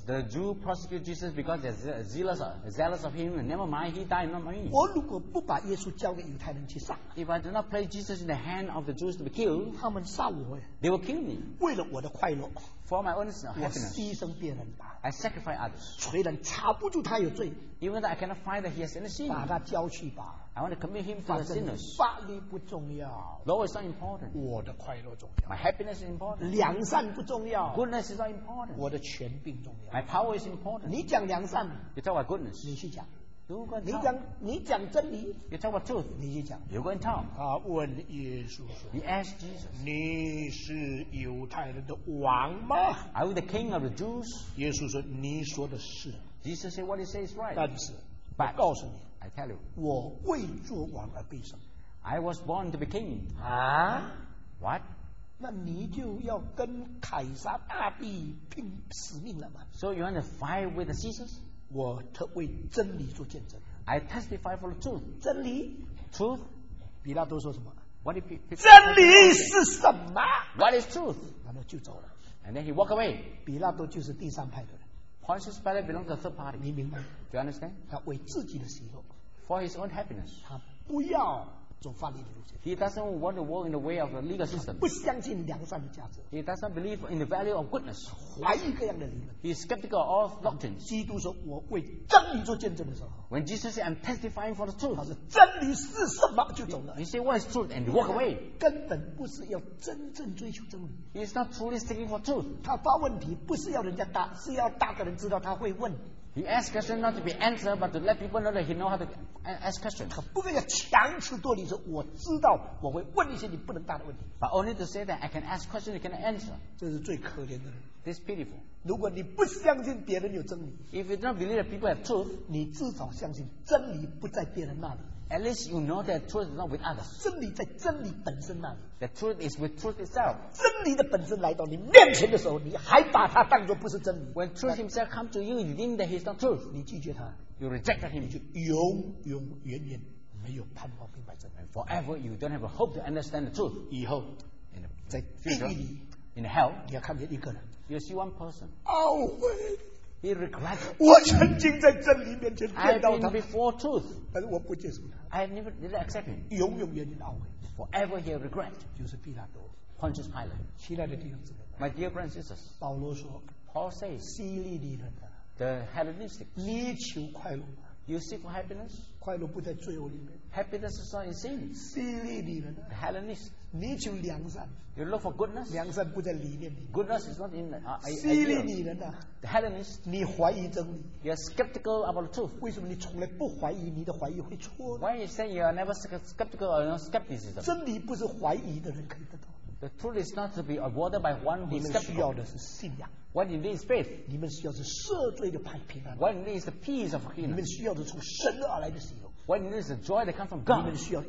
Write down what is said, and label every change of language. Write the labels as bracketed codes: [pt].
[en] The Jew prosecute Jesus because they're zealous of him. Never mind, he died, not me. [zh] 我如果不把耶稣交给犹太人去杀， [en] If I do not place Jesus in the hand of the Jews to be killed, [zh] 他们杀我， [en] They will kill me. [zh] 为了我的快乐， [en] For my own happiness, [zh] 我牺牲别人吧， [en] I sacrifice others. [zh] 虽然查不住他有罪， [en] Even though I cannot find that he has any sin, [zh] 把他交去吧。 [en] I want to commit him for the sinners. [zh] 法律不重要。 [en] Law is not important. [zh] 我的快乐重要。 [en] My happiness is important. [zh] 良善不重要。 [en] Goodness is not important. [zh] 我的权柄重要。 [en] My power is important. [zh] 你讲良善。 [en] You talk about goodness. [zh] 你去讲。 [en] You go and talk. [zh] 你讲真理。 [en] You talk about truth. [zh] 你去讲。 [en] You go and talk. [zh] 他问耶稣。 [en] He asked Jesus. [zh] 你是犹太人的王吗？ [en] Are you the king of the Jews? [zh] 耶稣说，你说的是。 [en] Jesus said what he says is right. [zh] 但是， 我告诉你。 [en] I tell you, [zh] 我为做王而被审。 [en] I was born to be king. [zh] 啊？ [en] What? [zh] 那你就要跟凯撒大帝拼死命了吗？ [en] So you want to fight with the Caesars? [zh] 我特为真理做见证。 [en] I testify for the truth. [zh] 真理？ [en] Truth? [zh] 比拉多说什么？ [en] What if he? [zh] 真理是什么？ [en] What is truth? [zh] 然后就走了。 [en] And then he walked away. [zh] 比拉多就是第三派的。 [en] Pontius Pilate belongs to the third party. [zh] 你明白? [en] Do you understand? [zh] 他为自己的喜乐。 [en] For his own happiness. [zh] 他不要走法律的路线。 [en] He doesn't want to walk in the way of the legal system. [zh] 他不相信良善的价值。 [en] He doesn't believe in the value of goodness. [zh] 怀疑各样的理论。 [en] He's skeptical of doctrine. [zh] 基督说，我为真理做见证的时候。 [en] When Jesus said, I'm testifying for the truth. [zh] 他说，真理是什么？就走了。 [en] He said, what is truth? And walk away. [zh] 根本不是要真正追求真理。 [en] He's not truly seeking for truth. [zh] 他发问题不是要人家答， 是要答的人知道他会问。 [en] He asks questions not to be answered, but to let people know that he knows how to ask questions. [zh] 他不要强词夺理说，我知道我会问一些你不能答的问题。 [en] But only to say that I can ask questions you can answer. [zh] 这是最可怜的人。 [en] This is pitiful. [zh] 如果你不相信别人有真理， [en] If you don't believe that people have truth, [zh] 你至少相信真理不在别人那里。 [en] At least you know that truth is not with others. [zh] 真理在真理本身那里。 [en] The truth is with truth itself. [zh] 真理的本身来到你面前的时候，你还把它当作不是真理。 [en] When truth himself comes to you, you think that he's not truth. [zh] 你拒绝他。 [en] You reject him. [zh] 你就永永远远没有盼望明白真理。 [en] Forever you don't have a hope to understand the truth. [zh] 以后， [en] in the future, [zh] 在地狱里， [en] in hell, [zh] 你要看见一个人。 [en] You see one person. [zh] 懊悔。 [en] He regrets. [zh] 我曾经在真理面前见到他。 [en] I've been before truth. [zh] 但是我不接受他。 [en] I have never did accept him. [zh] 永永远远懊悔。 [en] Forever he regret. [zh] 就是比拉多。 [en] Pontius Pilate. [zh] 亲爱的弟兄姊妹。 [en] My dear brothers and sisters. [zh] 保罗说。 [en] Paul says. [zh] 希律理人的。 [en] The Hellenistic. [zh] 你求快乐吗？ [en] You seek for happiness. [zh] 快乐不在罪恶里面。 [en] Happiness is not in sin. [zh] 希律理人的。 [en] The Hellenist. [zh] 你求良善。 [en] You look for goodness. [zh] 良善不在理念里面。 [en] Goodness is not in the ideas. [zh] 希律理人的。 [en] The Hellenist. [zh] 你怀疑真理。 [en] You are skeptical about the truth. [zh] 为什么你从来不怀疑，你的怀疑会错呢？ [en] Why you say you are never skeptical or skepticism? [zh] 真理不是怀疑的人可以得到。 [en] The truth is not to be awarded by one who is skeptical. What you need is faith. What you need is the peace of healing. What you need is the joy that comes from God.